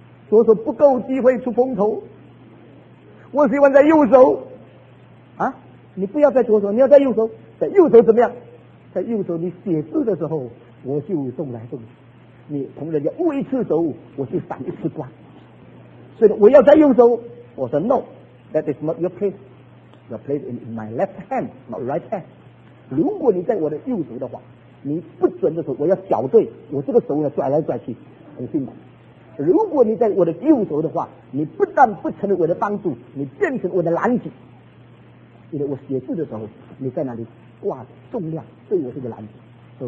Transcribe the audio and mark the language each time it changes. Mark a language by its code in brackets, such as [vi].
[zh] 左手不够机会出风头，我喜欢在右手。啊，你不要在左手，你要在右手。在右手怎么样？在右手你写字的时候我就动来动去，你同人家握一次手我就闪一次光，所以我要在右手。我说 [en] No, that is not your place, your place is in my left hand, not right hand。 [zh] 如果你在我的右手的话，你不准的时候我要脚对，我这个手要拽来拽去，很辛苦。如果你在我的右手的话，你不但不成为我的帮助，你变成我的拦阻。因为我写字的时候，你在那里挂着重量，对我是个拦阻。